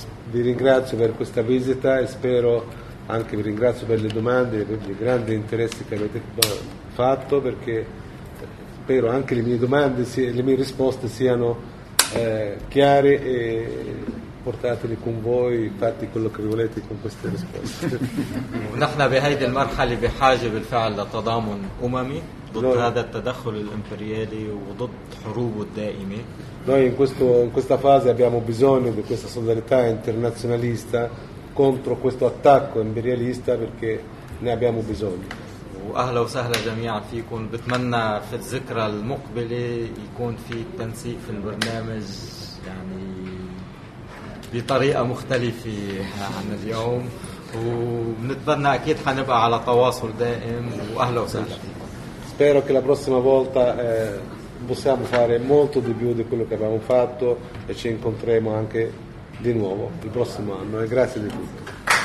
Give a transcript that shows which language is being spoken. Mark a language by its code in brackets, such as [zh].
[it] Vi ringrazio per questa visita e spero anche vi ringrazio per le domande e per il grande interesse che avete fatto perché spero anche le mie domande, le mie risposte siano chiare e portateli con voi, fatti quello che volete con queste risposte. [ar] نحن بهيدي المرحلة بحاجة بالفعل لتضامن أممي ضد هذا التدخل الإمبريالي وضد حروبه الدائمة. [it] Noi in questa fase abbiamo bisogno di questa solidarietà internazionalista contro questo attacco imperialista perché ne abbiamo bisogno. [ar] وأهلا وسهلا جميعا فيكم. بتمنى في الذكرى المقبلة يكون في تنسيق في البرنامج يعني بطريقة مختلفة عن اليوم, وبنتمنى أكيد حنبقى على تواصل دائم. وأهلا وسهلا فيكم. [it] Spero che la prossima volta possiamo fare molto di più di quello che abbiamo fatto e ci incontreremo anche di nuovo il prossimo anno, e grazie di tutto.